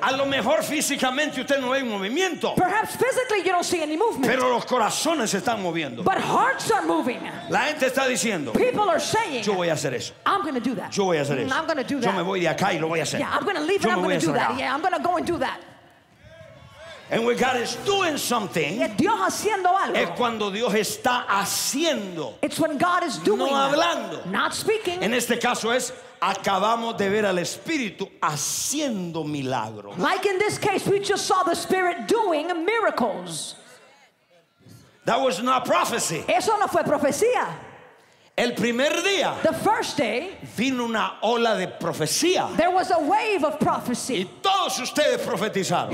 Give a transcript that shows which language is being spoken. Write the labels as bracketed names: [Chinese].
[Spanish] A lo mejor físicamente usted no ve un movimiento. [English] Perhaps physically you don't see any movement. [Spanish] Pero los corazones se están moviendo. [English] But hearts are moving. [Spanish] La gente está diciendo. [English] People are saying. [Spanish] Yo voy a hacer eso. [English] I'm going to do that. [Spanish] Yo voy a hacer eso. [English] I'm going to do that. [Spanish] Yo me voy de acá y lo voy a hacer. [English] Yeah, I'm going to leave and I'm going to do that. Yeah, I'm going to go and do that. And when God is doing something, [Spanish] Dios haciendo algo, es cuando Dios está haciendo, [English] it's when God is doing, [Spanish] no hablando, [English] not speaking. [Spanish] En este caso es, acabamos de ver al Espíritu haciendo milagros. [English] Like in this case, we just saw the Spirit doing miracles. That was not prophecy. [Spanish] Eso no fue profecía. El primer día, [English] the first day, [Spanish] vino una ola de profecía. [English] There was a wave of prophecy. [Spanish] Y todos ustedes profetizaron.